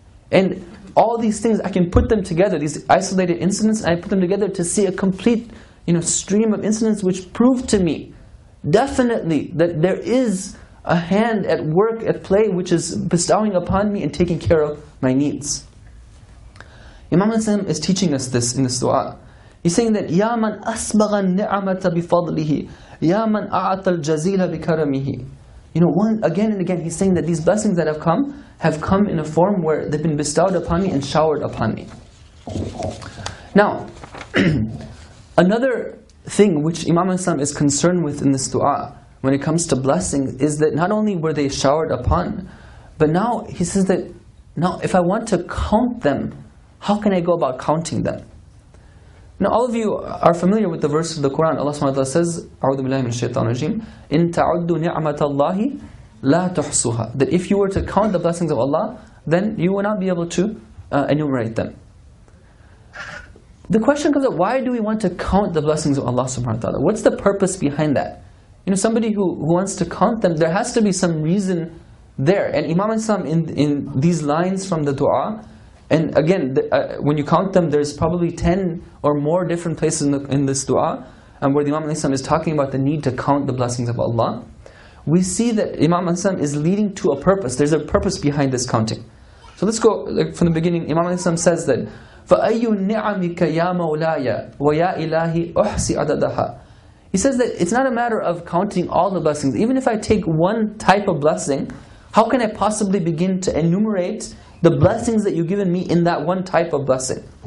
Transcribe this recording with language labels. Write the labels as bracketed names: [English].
[English] And all these things, I can put them together, these isolated incidents, I put them together to see a complete, you know, stream of incidents which prove to me definitely that there is a hand at work, at play, which is bestowing upon me and taking care of my needs. Imam al-Salam is teaching us this in this dua. He's saying that, [Arabic] يَا مَنْ أَسْبَغَ النِّعْمَةَ بِفَضْلِهِ يَا مَنْ أَعَطَ الْجَزِيلَ بِكَرَمِهِ. [English] You know, again and again, he's saying that these blessings that have come in a form where they've been bestowed upon me and showered upon me. Now, another thing which Imam al-Salam is concerned with in this dua, when it comes to blessings, is that not only were they showered upon, but now he says that, now if I want to count them, how can I go about counting them? Now, all of you are familiar with the verse of the Quran. Allah subhanahu wa ta'ala says, [Arabic] أعوذ بالله من الشيطان الرجيم, إن تعدوا نعمة الله لا تحصوها. [English] That if you were to count the blessings of Allah, then you will not be able to enumerate them. The question comes up, why do we want to count the blessings of Allah subhanahu wa ta'ala? What's the purpose behind that? You know, somebody who wants to count them, there has to be some reason there. And Imam al-Salam in these lines from the dua, and again, when you count them, there's probably 10 or more different places in this dua, and where the Imam al-Salam is talking about the need to count the blessings of Allah. We see that Imam al-Salam is leading to a purpose. There's a purpose behind this counting. So let's go from the beginning. Imam al-Salam says that, [Arabic] فَأَيُّ نِعَمِكَ يَا مَوْلَايَ وَيَا إِلَهِ أُحْسِ عَدَدَهَا. [English] He says that it's not a matter of counting all the blessings. Even if I take one type of blessing, how can I possibly begin to enumerate the blessings that you've given me in that one type of blessing?